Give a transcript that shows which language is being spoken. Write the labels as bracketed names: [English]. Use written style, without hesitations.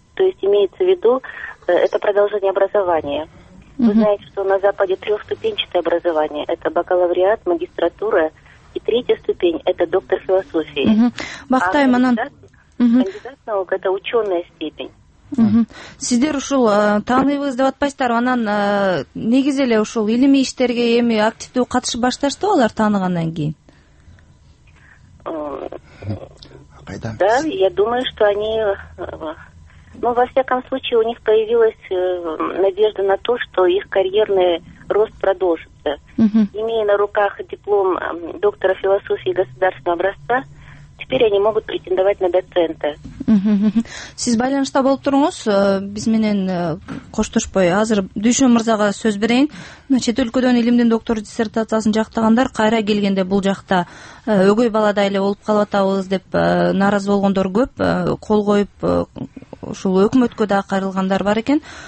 [Russian] То есть имеется в виду, это продолжение образования. Вы знаете, что на Западе трехступенчатое образование. Это бакалавриат, магистратура. И третья ступень – это доктор философии. Бахтай, кандидат наук – это ученая степень. [Kyrgyz] Сиздер ушул тааныйбыз деп атпайсыздар, анан негизи эле ушул илимий иштерге эми активдүү катышып башташты алар таанығаннан кийин? Кайдан? [Russian] Да, я думаю, что они, ну, во всяком случае, у них появилась надежда на то, что их карьерный рост продолжится. Имея на руках диплом доктора философии государственного образца, теперь они могут претендовать на доцента. [Kyrgyz] Сиз байланышта болуп туруңуз, биз менен коштошпой азыр Дүйшөн мырзага сөз берейин. Чет өлкөдөн илимдин доктор диссертациясын жактагандар кайра келгенде бул жакта өгөй баладай эле болуп калып атабыз деп нааразы болгондор көп, кол коюп ушул өкмөткө да кайрылгандар бар экен.